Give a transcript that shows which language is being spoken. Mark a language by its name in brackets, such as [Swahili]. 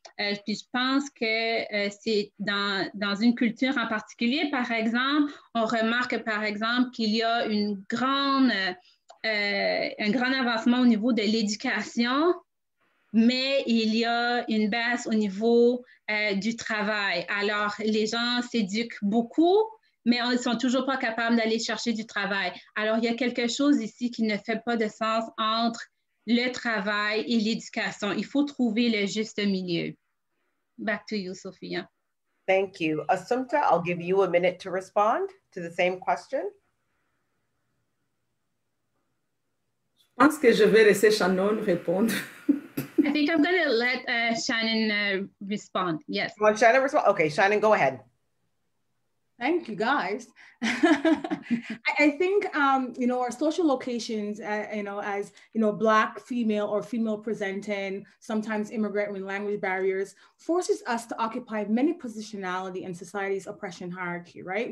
[French] Puis je pense que c'est dans une culture en particulier, par exemple, on remarque, par exemple, qu'il y a un grand avancement au niveau de l'éducation, mais il y a une baisse au niveau du travail. Alors, les gens s'éduquent beaucoup, mais ils ne sont toujours pas capables d'aller chercher du travail. Alors, il y a quelque chose ici qui ne fait pas de sens entre le travail et l'éducation. Il faut trouver le juste milieu. [English] Back to you, Sophia. Thank you. Assumpta, I'll give you a minute to respond to the same question. [French] Je pense que je vais laisser Shannon répondre. [English] I think I'm going to let Shannon respond. Yes. Well, Shannon respond. Okay, Shannon, go ahead. Thank you, guys. I think, you know, our social locations, as, you know, Black, female, or female presenting, sometimes immigrant with language barriers, forces us to occupy many positionality in society's oppression hierarchy, right?